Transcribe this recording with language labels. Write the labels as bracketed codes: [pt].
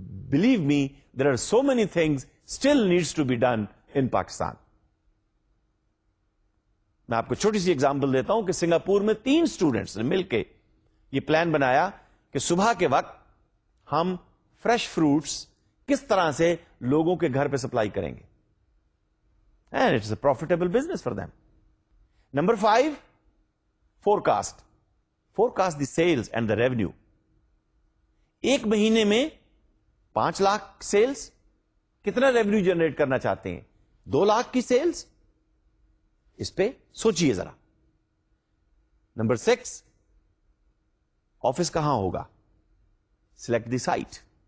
[en] Believe me there are so many things still needs to be done in Pakistan. [ur] میں آپ کو چھوٹی سی example دیتا ہوں کہ سنگاپور میں تین اسٹوڈنٹس نے مل کے یہ پلان بنایا کہ صبح کے وقت ہم فریش فروٹس کس طرح سے لوگوں کے گھر پہ سپلائی کریں گے. [en] And it's a profitable business for them. Number five, forecast the sales and the revenue. [ur] ایک مہینے میں 5 لاکھ سیلز, کتنا ریونیو جنریٹ کرنا چاہتے ہیں, 2 لاکھ کی سیلز, اس پہ سوچئے ذرا. نمبر سکس, آفس کہاں ہوگا, [en] Select the site.